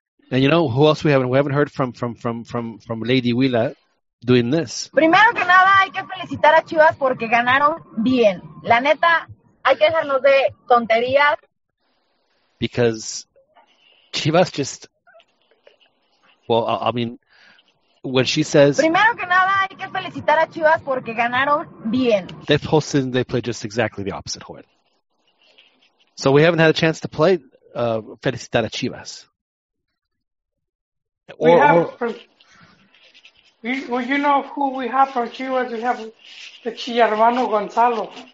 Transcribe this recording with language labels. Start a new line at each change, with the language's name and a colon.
English: And you know who else we haven't? We haven't heard from Lady Willa doing this.
Spanish: Primero que nada, hay que felicitar a Chivas porque ganaron bien. La neta, hay que dejarnos de tonterías.
English: Because Chivas just, well, I mean, when she says,
Spanish: primero que nada, hay que felicitar a Chivas porque ganaron bien.
English: They play just exactly the opposite, Joel. So we haven't had a chance to play
Spanish: Felicitar a Chivas.
English: Well, you know who we have from Chivas. We have the Chiarmano Gonzalo.